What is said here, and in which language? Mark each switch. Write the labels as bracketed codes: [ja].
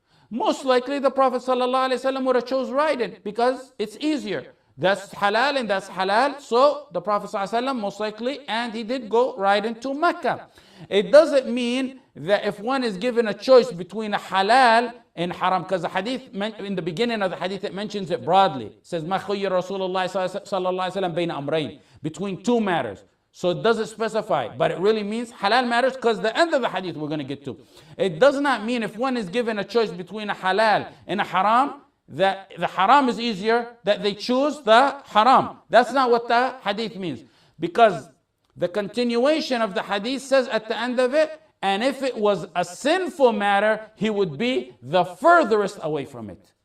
[en] Most likely, the Prophet sallallahu alaihi wasallam would have chose riding because it's easier. That's halal and that's halal. So the Prophet sallallahu alaihi wasallam most likely, and he did go riding to Mecca. It doesn't mean that if one is given a choice between a halal and haram, because the hadith in the beginning of the hadith it mentions it broadly. It says [ar] ما خير رسول الله صلى الله عليه وسلم بين أمرين, [en] between two matters. So it doesn't specify, but it really means halal matters, because the end of the hadith we're going to get to. It does not mean if one is given a choice between a halal and a haram, that the haram is easier, that they choose the haram. That's not what the hadith means. Because the continuation of the hadith says at the end of it, and if it was a sinful matter, he would be the furthest away from it.